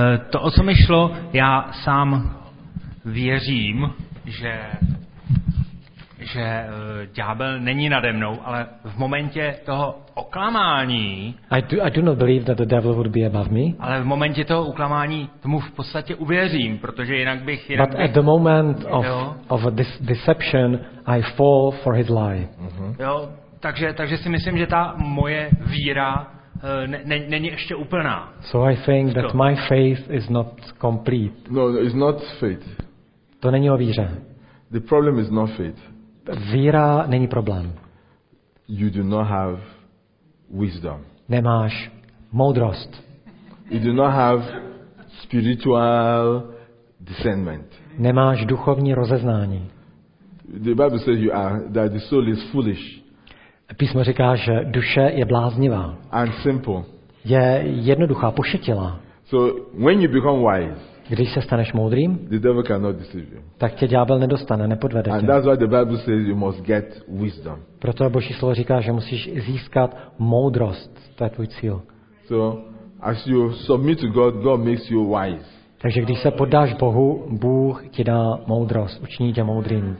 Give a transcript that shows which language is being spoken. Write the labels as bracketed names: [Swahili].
[Czech] To, o co mi šlo, já sám věřím, že že ďábel není nade mnou, ale v momente toho oklamání. [English] I do not believe that the devil would be above me. [Czech] Ale v momente toho uklamání tomu v podstate uvěřím, protože jinak bych jen. [English] But at the moment of a deception, I fall for his lie. Mm-hmm. [Czech] Jo, takže si myslím, že ta moje víra není ještě úplná. [English] So I think that my faith is not complete. No, it's not faith. [Czech] To není o víře. [English] The problem is not faith. [Czech] Víra není problém. [English] You do not have wisdom. [Czech] Nemáš moudrost. [English] You do not have spiritual discernment. [Czech] Nemáš duchovní rozeznání. [English] The Bible says you are that the soul is foolish. [Czech] Písmo říká, že duše je bláznivá. [English] And simple. [Czech] Je jednoduchá, pošetilá. [English] So when you become wise, [Czech] když se staneš moudrým, [English] the devil cannot deceive you. [Czech] Tak tě ďábel nedostane, nepodvede tě. [English] And that's why the Bible says you must get wisdom. [Czech] Proto Boží slovo říká, že musíš získat moudrost, to je tvůj cíl. [English] So as you submit to God, God makes you wise. [Czech] Takže když se poddáš Bohu, Bůh ti dá moudrost, učiní tě moudrým.